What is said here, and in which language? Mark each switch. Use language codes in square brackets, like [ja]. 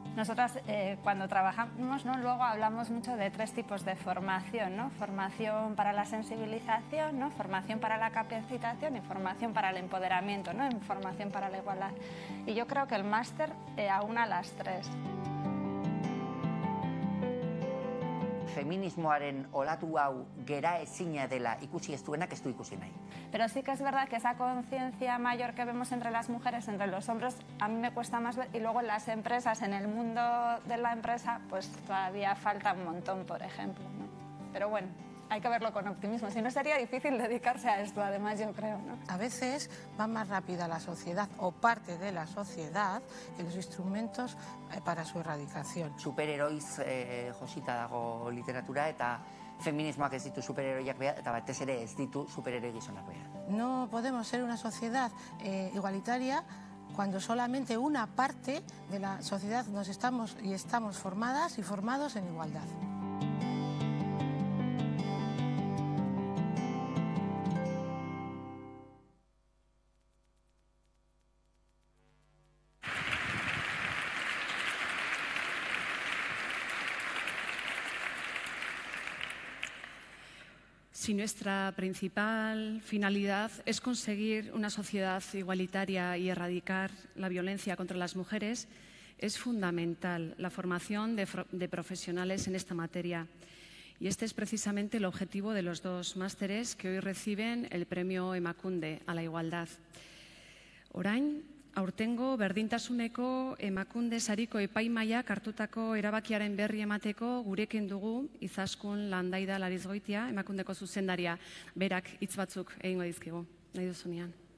[es] Nosotras cuando trabajamos, ¿no?, luego hablamos mucho de tres tipos de formación, ¿no? Formación para la sensibilización, ¿no? Formación para la capacitación y formación para el empoderamiento, ¿no? Formación para la igualdad. Y yo creo que el máster aúna las tres. [eu] Feminismoaren olatu hau gera ezina dela ikusi ez duenak ez du ikusi nahi. [es] Pero sí que es verdad que esa conciencia mayor que vemos entre las mujeres, entre los hombres, a mí me cuesta más ver, y luego en las empresas, en el mundo de la empresa, pues todavía falta un montón, por ejemplo, ¿no? Pero bueno, hay que verlo con optimismo, si no sería difícil dedicarse a esto, además, yo creo, ¿no? A veces va más rápida la sociedad o parte de la sociedad que los instrumentos para su erradicación. [eu] Superheroiz josita dago literatura eta feminismoak ez ditu superheroiak behar, eta batez ere ez ditu superheroi gizonak behar. [es] No podemos ser una sociedad igualitaria cuando solamente una parte de la sociedad nos estamos y estamos formadas y formados en igualdad. Si nuestra principal finalidad es conseguir una sociedad igualitaria y erradicar la violencia contra las mujeres, es fundamental la formación de profesionales en esta materia. Y este es precisamente el objetivo de los dos másteres que hoy reciben el premio Emakunde a la igualdad. [eu] Orain, aurtengo berdintasuneko Emakunde sariko epaimaiak hartutako erabakiaren berri emateko gurekin dugu Izaskun Landaida Larizgoitia, Emakundeko zuzendaria, berak hitz batzuk egingo dizkigu. Nahi duzunean.